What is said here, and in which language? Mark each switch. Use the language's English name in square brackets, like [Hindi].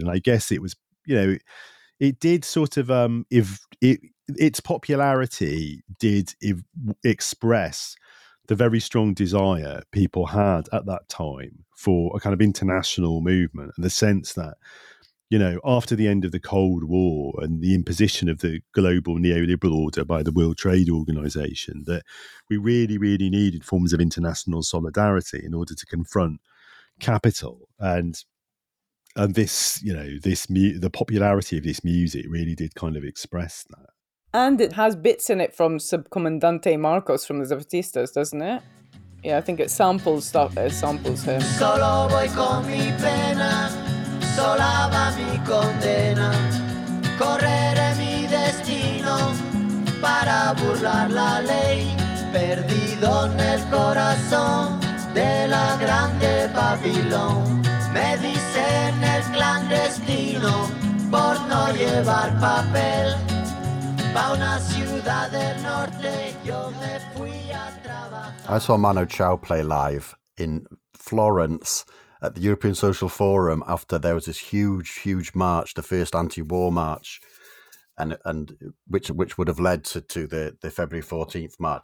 [English] And I guess it was, you know, it did sort of, its popularity did express the very strong desire people had at that time for a kind of international movement, and the sense that, you know, after the end of the Cold War and the imposition of the global neoliberal order by the World Trade Organization, that we really, really needed forms of international solidarity in order to confront capital. And this, you know, the popularity of this music really did kind of express that. And it has bits in it from Subcomandante Marcos from the Zapatistas, doesn't it? Yeah, I think it samples stuff. It samples him. [Spanish] Solo voy con mi pena, sola va mi condena. Correré mi destino para burlar la ley. Perdido en el corazón de la grande Babilón. Me dicen el clandestino por no llevar papel. [English] I saw Manu Chao play live in Florence at the European Social Forum after there was this huge, huge march, the first anti-war march, and which would have led to the February 14th march.